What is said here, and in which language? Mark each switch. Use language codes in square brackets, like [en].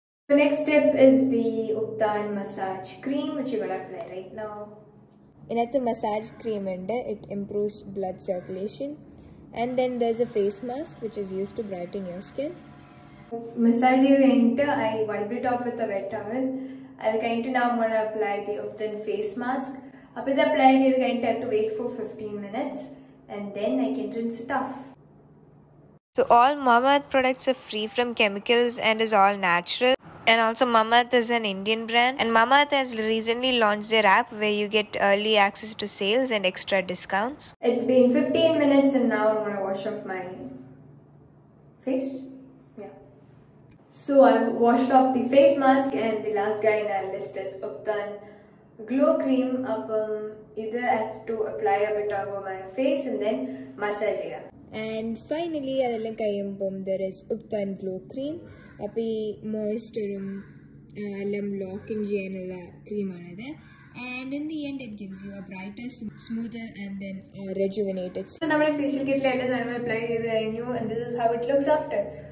[en] The next step is the Uptan massage cream, which you're going to apply right now. [ml] ഇതിനകത്ത് massage cream ഉണ്ട്, [en] It improves blood circulation. And then there's a face mask which is use to brighten your skin. [ml] Massage ചെയ്ത് കഴിഞ്ഞിട്ട് [en] I wipe it off with a wet towel. [ml] അത് കഴിഞ്ഞിട്ട് നമ്മൾ [en] Apply the ubtan face mask. [ml] അപ്പോൾ ഇത് apply ചെയ്ത് കഴിഞ്ഞിട്ട് [en] Have to wait for 15 minutes and then I can rinse it off. So all Mamaearth products are free from chemicals and is all natural. And also Mamaearth is an Indian brand. And Mamaearth has recently launched their app where you get early access to sales and extra discounts. It's been 15 minutes and now I'm going to wash off my face. Yeah. So I've washed off the face mask and the last guy in our list is Uptan Glow Cream. Either I have to apply a bit over my face and then massage it. And finally, [ml] അതെല്ലാം കഴിയുമ്പം [en] There is ubtan glow cream. [ml] അപ്പോൾ ഈ മോയ്സ്ചറും എല്ലാം lock in ചെയ്യാനുള്ള ക്രീമാണിത്. [en] And in the end it gives you a brighter smoother and then rejuvenated. [ml] നമ്മുടെ facial കിറ്റിൽ എല്ലാ സാധനവും apply ചെയ്ത് കഴിഞ്ഞു [en] And this is how it looks after.